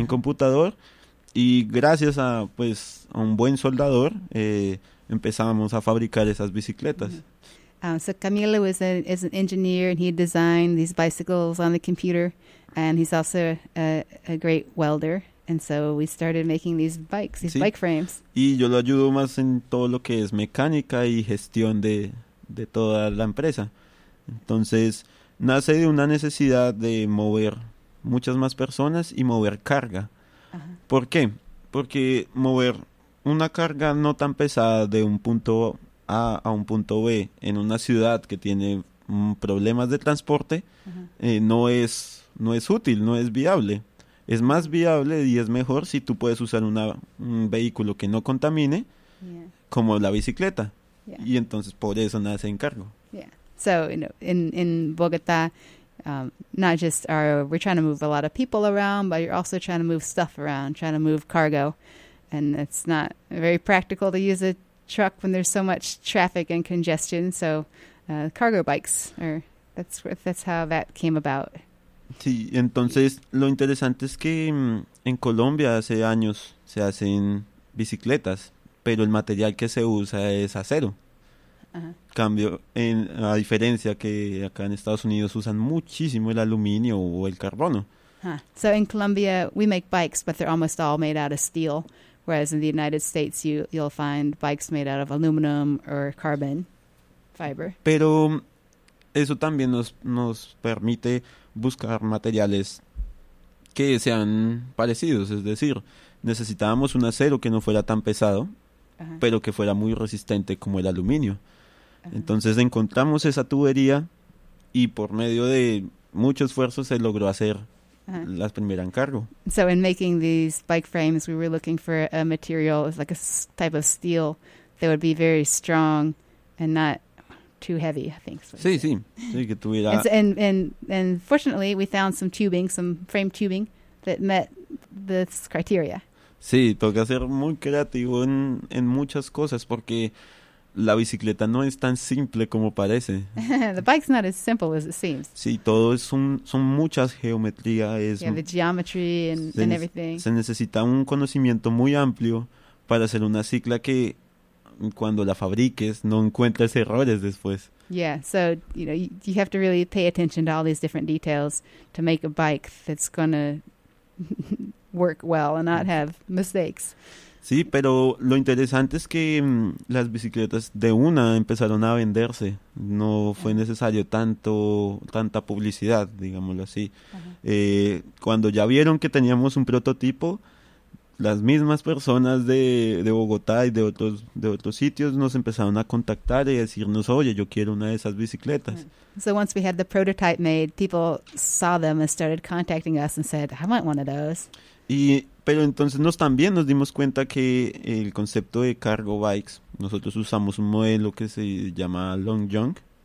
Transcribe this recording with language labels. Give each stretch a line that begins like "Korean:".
Spanish: en computador, y gracias a pues a un buen soldador empezamos a fabricar esas bicicletas. Uh-huh.
English: So Camilo is an engineer, and he designed these bicycles on the computer, and he's also a great welder, and so we started making these bikes, these sí. bike frames.
Spanish: Y yo lo ayudo más en todo lo que es mecánica y gestión de toda la empresa. Entonces, nace de una necesidad de mover muchas más personas y mover carga. Uh-huh. ¿Por qué? Porque mover una carga no tan pesada de un punto A un punto B en una ciudad que tiene problemas de transporte uh-huh. no es útil, no es viable. Es más viable y es mejor si tú puedes usar un vehículo que no contamine yeah. como la bicicleta. Yeah. Y entonces por eso nace Encargo.
English: Yeah. So, you know, in Bogotá, not just we're trying to move a lot of people around, but you're also trying to move stuff around, trying to move cargo. And it's not very practical to use it truck when there's so much traffic and congestion, so cargo bikes that's how that came about.
Spanish: Sí, entonces lo interesante es que en Colombia hace años se hacen bicicletas, pero el material que se usa es acero. Uh-huh. Cambio en a diferencia que acá en Estados Unidos usan muchísimo el aluminio o el carbono. Huh.
English: So in Colombia we make bikes, but they're almost all made out of steel. Whereas in the United States, you'll find bikes made out of aluminum or carbon fiber.
Spanish: Pero eso también nos permite buscar materiales que sean parecidos. Es decir, necesitábamos un acero que no fuera tan pesado, uh-huh. pero que fuera muy resistente como el aluminio. Uh-huh. Entonces encontramos esa tubería y por medio de mucho esfuerzo se logró hacer uh-huh. las primeras Encargo.
English: So in making these bike frames, we were looking for a material, it's like a type of steel that would be very strong and not too heavy, I think.
Spanish: Sí, sí. Sí, que tuviera.
English: And fortunately, we found some tubing, some frame tubing that met this criteria.
Spanish: Sí, toca ser muy creativo en muchas cosas porque la bicicleta no es tan simple como parece.
English: The bike's not as simple as it seems.
Spanish: Sí, todo es son muchas geometría.
English: Yeah, the geometry and everything.
Spanish: Se necesita un conocimiento muy amplio para hacer una cicla que cuando la fabriques no encuentres errores después.
English: Yeah, so you know you have to really pay attention to all these different details to make a bike that's gonna work well and not have mistakes.
Spanish: Sí, pero lo interesante es que las bicicletas de una empezaron a venderse. No fue necesario tanta publicidad, digámoslo así. Uh-huh. Cuando ya vieron que teníamos un prototipo, las mismas personas de Bogotá y de otros sitios nos empezaron a contactar y decirnos, oye, yo quiero una de esas bicicletas.
English: So once we had the prototype made, people saw them and started contacting us and said, I want one of those.
Spanish: Pero entonces también nos dimos cuenta que el concepto de cargo bikes, nosotros usamos un modelo que se llama Long John.